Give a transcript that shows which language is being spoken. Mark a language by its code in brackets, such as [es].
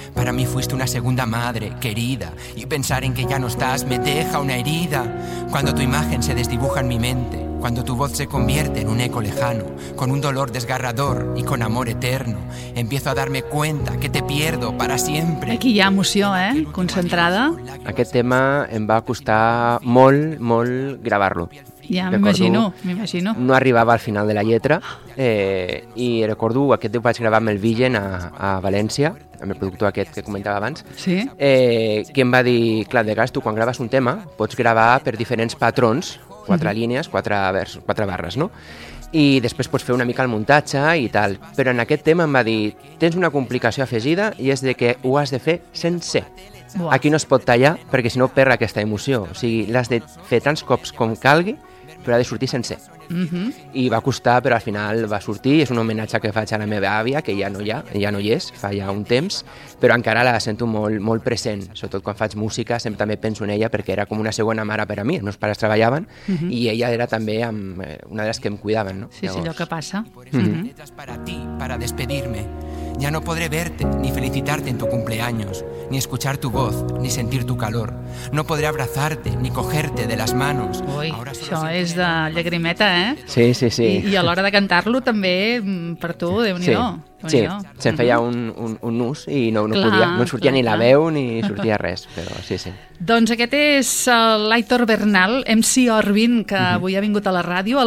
[es] Para mí fuiste una segunda madre, querida, y pensar en que ya no estás me deja una herida. Cuando tu imagen se desdibuja en mi mente, cuando tu voz se convierte en un eco lejano, con un dolor desgarrador y con amor eterno, empiezo a darme cuenta que te pierdo para siempre. [ca] Aquí hi ha emoció, concentrada. Aquest tema em va costar molt gravar-lo. Ja m'imagino. No arribava al final de la lletra i recordo aquest vaig gravar amb el Vigen a València, amb el productor aquest que comentava abans, sí. Que em va dir, clar, de gas, tu quan graves un tema pots gravar per diferents patrons, quatre línies, quatre barres, no? I després pots fer una mica el muntatge i tal. Però en aquest tema em va dir, tens una complicació afegida i és de que ho has de fer sense. Buah. Aquí no es pot tallar perquè si no perd aquesta emoció. O sigui, l'has de fer tants cops com calgui, però ha de sortir sencer. I va costar, però al final va sortir. És un homenatge que faig a la meva àvia, que ja no hi és, fa ja un temps, però encara la sento molt present. Sobretot quan faig música, sempre també penso en ella, perquè era com una segona mare per a mi. Els meus pares treballaven i ella era també una de les que em cuidaven. No? Sí, allò que passa. [es] Para ti, para despedirme. Ya no podré verte, ni felicitarte en tu cumpleaños, ni escuchar tu voz, ni sentir tu calor. No podré abrazarte, ni cogerte de las manos. [ca] Ui, això és de llagrimeta, Sí. I a l'hora de cantar-lo també, per tu, Déu-n'hi-do. Sí, se'm feia un nus i no sortia ni la veu ni sortia res, però sí. Doncs aquest és l'Aitor Bernal, MC Orbin, que avui ha vingut a la ràdio.